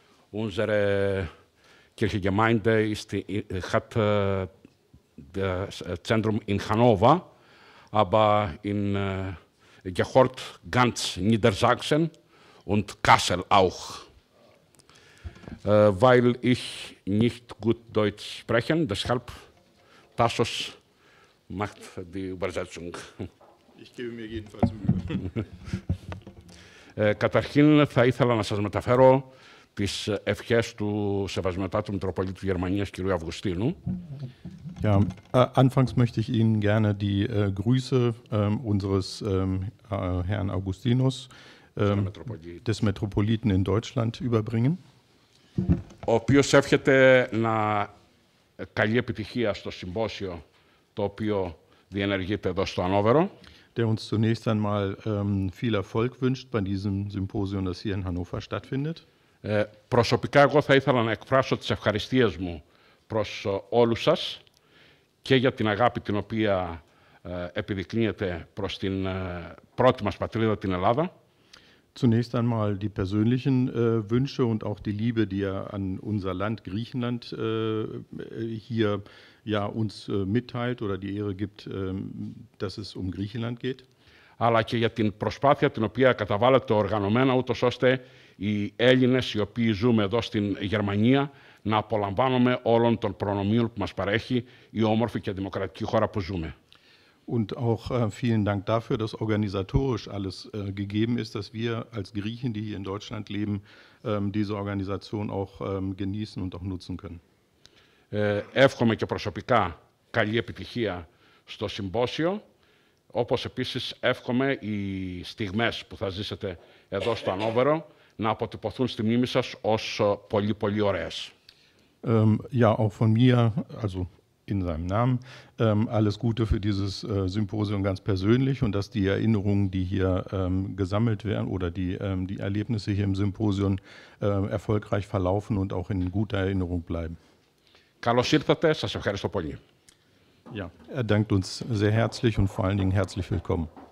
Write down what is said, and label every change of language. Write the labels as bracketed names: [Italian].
[German] Unsere Kirchengemeinde hat das Zentrum in Hannover, aber in gehört ganz Niedersachsen und Kassel auch. Weil ich nicht gut Deutsch spreche, deshalb Tassos macht die Übersetzung. Ich gebe mir jedenfalls Mühe. [Greek] Καταρχήν θα ήθελα να σας μεταφέρω τις ευχές του Σεβασμιωτάτου του Μητροπολίτου Γερμανίας κ. Αυγουστίνου. [German] Ja, anfangs möchte ich Ihnen gerne die Grüße unseres Herrn Augustinus, des Metropoliten in Deutschland, überbringen. [Greek] Ο οποίος εύχεται να καλή επιτυχία στο συμπόσιο το οποίο διενεργείται εδώ στο Ανόβερο. [German] Der uns zunächst einmal viel Erfolg wünscht bei diesem Symposium, das hier in Hannover stattfindet. [Greek] Προσωπικά εγώ θα ήθελα να εκφράσω τις ευχαριστίες μου προς όλους σας και για την αγάπη την οποία επιδεικνύεται προς την πρώτη μας πατρίδα, την Ελλάδα. [German] Zunächst einmal die persönlichen Wünsche und auch die Liebe, die er an unser Land Griechenland hier ja, uns mitteilt oder die Ehre gibt, dass es um Griechenland geht. [Greek] Αλλά και για την προσπάθεια την οποία καταβάλλεται οργανωμένα, ούτως ώστε οι Έλληνες οι οποίοι ζούμε εδώ στην Γερμανία να απολαμβάνουμε όλων των προνομίων που μας παρέχει η όμορφη και δημοκρατική χώρα που ζούμε. [German] Und auch vielen Dank dafür, dass organisatorisch alles gegeben ist, dass wir als Griechen, die hier in Deutschland leben, diese Organisation auch genießen und auch nutzen können. [Greek] Εύχομαι και προσωπικά καλή επιτυχία στο συμπόσιο, όπως επίσης εύχομαι οι στιγμές που θα ζήσετε εδώ στο Ανόβερο να αποτυπωθούν στη μνήμη σας ως πολύ πολύ ωραίες. [German] Ja, auch von mir, also in seinem Namen, alles Gute für dieses Symposium ganz persönlich und dass die Erinnerungen, die hier gesammelt werden oder die Erlebnisse hier im Symposium erfolgreich verlaufen und auch in guter Erinnerung bleiben. [Greek] Καλώς ήρθατε, σας ευχαριστώ πολύ. [German] Ja, er dankt uns sehr herzlich und vor allen Dingen herzlich willkommen.